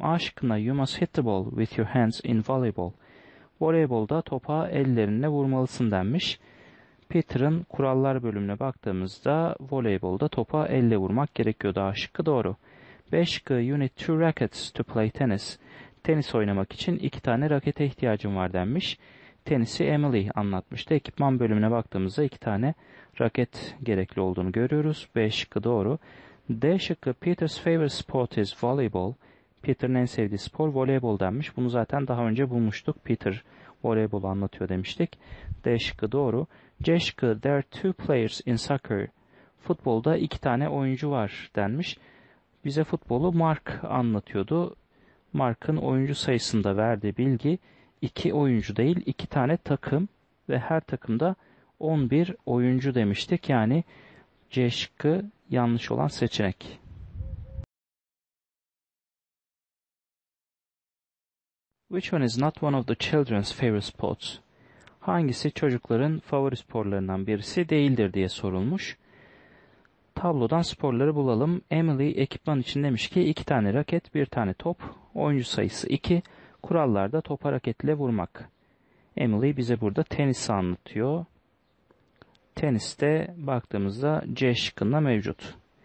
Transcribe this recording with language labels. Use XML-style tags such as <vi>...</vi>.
<tr>A şıkkında</tr> <en>you must hit the ball with your hands in volleyball.</en> <tr>Voleybolda topa ellerinle vurmalısın denmiş. Peter'ın kurallar bölümüne baktığımızda voleybolda topa elle vurmak gerekiyordu. A şıkkı doğru. B şıkkı</tr> <en>you need two rackets to play tennis.</en> <tr>Tenis oynamak için iki tane rakete ihtiyacım var denmiş. Tenisi Emily anlatmıştı. Ekipman bölümüne baktığımızda iki tane raket gerekli olduğunu görüyoruz. B şıkkı doğru. D şıkkı</tr> <en>Peter's favorite sport is volleyball.</en> <tr>Peter'ın en sevdiği spor voleybol denmiş. Bunu zaten daha önce bulmuştuk. Peter voleybolu anlatıyor demiştik. D şıkkı doğru. C şıkkı</tr> <en>there are two players in soccer.</en> <tr>Futbolda iki tane oyuncu var denmiş. Bize futbolu Mark anlatıyordu. Mark'ın oyuncu sayısında verdiği bilgi iki oyuncu değil, iki tane takım ve her takımda 11 oyuncu demiştik. Yani C şıkkı yanlış olan seçenek.</tr> <en>Which one is not one of the children's favorite sports?</en> <tr>Hangisi çocukların favori sporlarından birisi değildir diye sorulmuş. Tablodan sporları bulalım. Emily ekipman için demiş ki iki tane raket, bir tane top, oyuncu sayısı 2, kurallarda topa raketle vurmak. Emily bize burada tenisi anlatıyor. Teniste baktığımızda C şıkkında mevcut.</tr>